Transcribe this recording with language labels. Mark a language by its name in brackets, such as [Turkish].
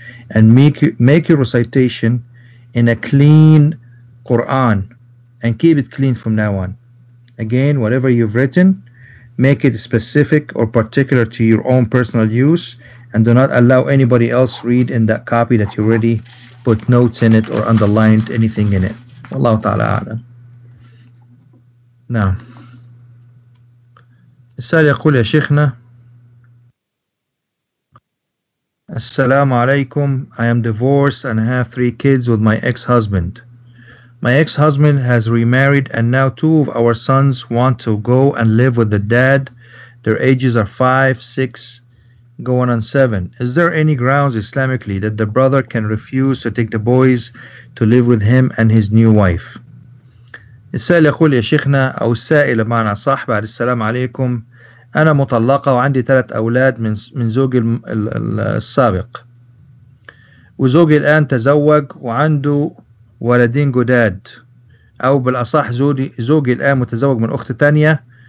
[English] And make your recitation in a clean Quran, and keep it clean from now on. Again, whatever you've written, make it specific or particular to your own personal use, and do not allow anybody else read in that copy that you already put notes in it or underlined anything in it. Allah Ta'ala A'lam. [Arabic] Now, السائل يقول يا شيخنا السلام عليكم. [English] I am divorced and have three kids with my ex-husband. My ex-husband has remarried, and now two of our sons want to go and live with the dad. Their ages are 5, 6, going on 7. Is there any grounds Islamically that the brother can refuse to take the boys to live with him and his new wife? [Arabic] السائل يقول يا شيخنا أو السائل معنا صح بعد السلام عليكم. أنا مطلقة وعندي 3 أولاد من زوجي السابق. وزوجي الآن تزوج وعنده ولدين جداد. أو بالأصح زوجي الآن متزوج من أخت تانية.